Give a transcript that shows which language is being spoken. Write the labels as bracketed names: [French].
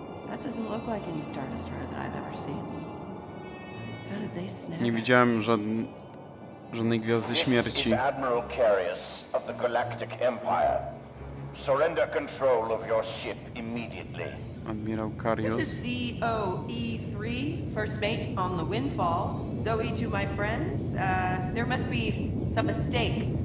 [English] That doesn't look like any Star Destroyer that I've ever seen. How did they snap? [Polish] Nie widziałem żadnej gwiazdy śmierci. [English] This is Admiral Carius of the Galactic Empire. Surrender control of your ship immediately. Admiral Carius. This is ZOE3, first mate on the Windfall. ZOE to my friends. There must be some mistake.